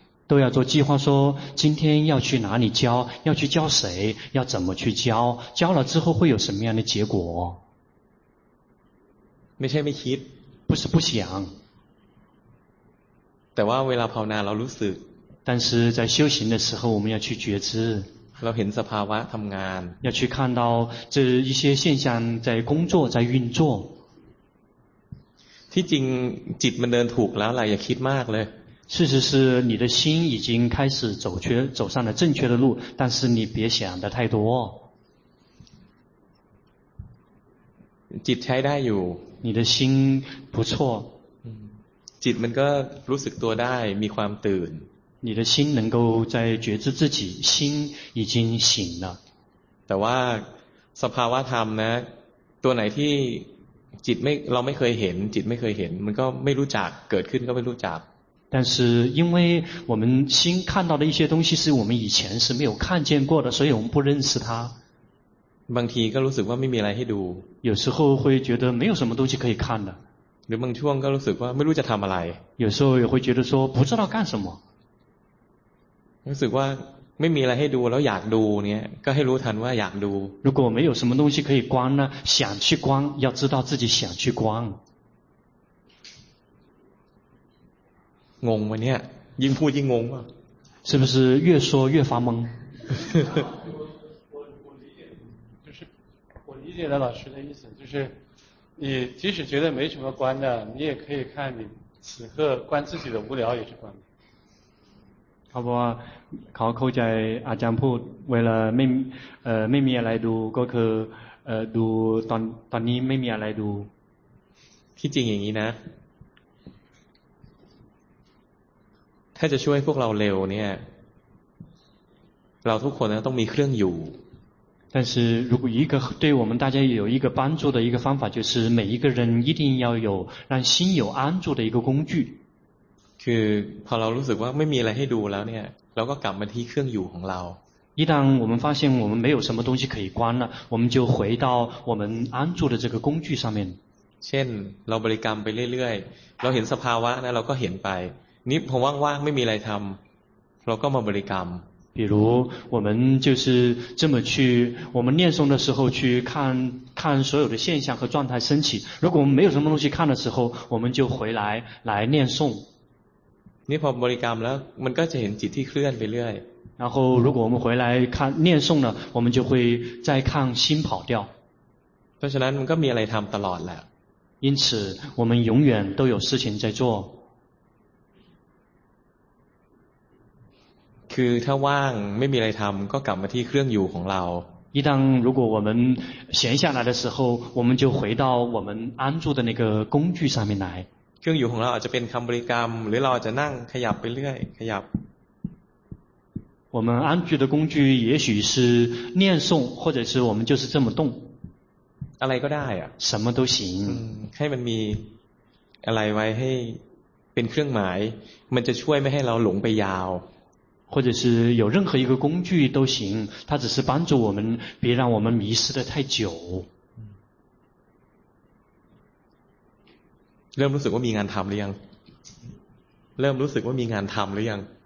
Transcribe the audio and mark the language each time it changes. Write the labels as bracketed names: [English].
[Chinese] 都要做计划说今天要去哪里教要去教谁要怎么去教教了之后会有什么样的结果没事没事不是不想 [Thai] แต่ว่าเวลาภาวนาเรารู้สึก [Chinese] 但是在修行的时候我们要去觉知 [Thai] เราเห็นสภาวะทำงาน [Chinese] 要去看到这一些现象在工作在运作 [Thai] ที่จริงจิตมันเดินถูกแล้วล่ะอย่าคิดมากเลย [Chinese] 事实是你的心已经开始走上了正确的路但是你别想的太多 [Thai] จิตใช้ได้อยู่ [Chinese] 你的心不错 [Thai] จ จิตมันก็รู้สึกตัวได้มีความตื่น [Chinese] 你的心能够在觉知自己心已经醒了 [Thai] แต่ว่าสภาวะธรรมนะตัวไหนที่จิตไม่เราไม่เคยเห็นจิตไม่เคยเห็นมันก็ไม่รู้จักเกิดขึ้นก็ไม่รู้จัก [Chinese] 但是因为我们心看到的一些东西是我们以前是没有看见过的所以我们不认识它 [Thai] บางทีก็รู้สึกว่าไม่มีอะไรให้ดู [Chinese] 有时候会觉得没有什么东西可以看的 [Thai] หรือบางช่วงก็รู้สึกว่าไม่รู้จะทำอะไร [Chinese] 有时候也会觉得说不知道干什么 [Thai] รู้สึกว่าไม่มีอะไรให้ดูแล้วอยากดูเนี่ยก็ให้รู้ทันว่าอยากดู [Chinese] 如果没有什么东西可以观呢想去观要知道自己想去观 [Thai] งงวะเนี่ยยิ่งพูดยิ่งงงวะ [Chinese] 是不是越说越发懵我理解就是我理解了老师的意思就是你即使觉得没什么观的你也可以看你此刻观自己的无聊也是观的 [Thai] เขาบอกว่าเขาเข้าใจอาจารย์พูดเวลาไม่มีอะไรดูก็คือดูตอนนี้ไม่มีอะไรดู ที่จริงอย่างนี้นะถ้าจะช่วยพวกเราเร็วเนี่ยเราทุกคนต้องมีเครื่องอยู่ [Chinese] 但是如果一个对我们大家有一个帮助的一个方法就是每一个人一定要有让心有安住的一个工具 [Thai] คือพอเรารู้สึกว่าไม่มีอะไรให้ดูแล้วเนี่ยเราก็กลับมาที่เครื่องอยู่ของเรา [Chinese] 一旦我们发现我们没有什么东西可以观了我们就回到我们安住的这个工具上面 [Thai] เช่นเราบริกรรมไปเรื่อยๆเราเห็นสภาวะนะเราก็เห็นไปนี่ผมว่างๆไม่มีอะไรทำเราก็มาบริกรรม [Chinese] 比如我们就是这么去我们念诵的时候去看看所有的现象和状态升起如果我们没有什么东西看的时候我们就回来来念诵 [Thai] นี่พอบริกรรมแล้วมันก็จะเห็นจิตที่เคลื่อนไปเรื่อย [Chinese] 然后如果我们回来看念诵了我们就会再看心跑掉 [Thai] เพราะฉะนั้นมันก็มีอะไรทำตลอดแหละ [Chinese] 因此我们永远都有事情在做 [Thai] คือถ้าว่างไม่มีอะไรทำก็กลับมาที่เครื่องอยู่ของเรา [Chinese] 一旦如果我们闲下来的时候我们就回到我们安住的那个工具上面来 [Thai] เครื่องอยู่ของเราอาจจะเป็นคำบริกรรมหรือเราอาจจะนั่งขยับไปเรื่อยขยับ [Chinese] 我们安住的工具也许是念诵或者是我们就是这么动 [Thai] อะไรก็ได้อะ [Chinese] 什么都行 [Thai] ให้มันมีอะไรไว้ให้เป็นเครื่องหมายมันจะช่วยไม่ให้เราหลงไปยาว [Chinese] 或者是有任何一个工具都行它只是帮助我们别让我们迷失的太久 [Thai] เริ่มรู้สึกว่ามีงานทำหรือยังเริ่มรู้สึกว่ามีงานทำหรือยัง